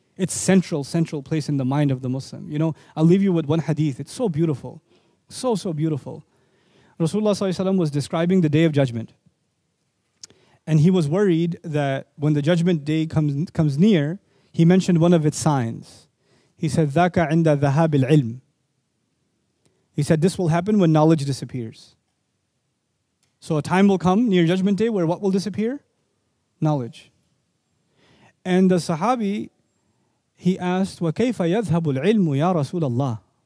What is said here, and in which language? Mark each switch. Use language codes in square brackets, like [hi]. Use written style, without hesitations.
[en] Its central place in the mind of the Muslim. You know, I'll leave you with one hadith. It's so beautiful. So beautiful. Rasulullah Sallallahu Alaihi Wasallam was describing the Day of Judgment. And he was worried that when the judgment day comes near, he mentioned one of its signs. He said, [ar] ذَاكَ عِنْدَ ذَهَابِ الْعِلْمِ. [en] He said, this will happen when knowledge disappears. So a time will come near judgment day where what will disappear? Knowledge. And the Sahabi, he asked, [ar] وَكَيْفَ يَذْهَبُ الْعِلْمُ يَا رَسُولَ اللَّهِ.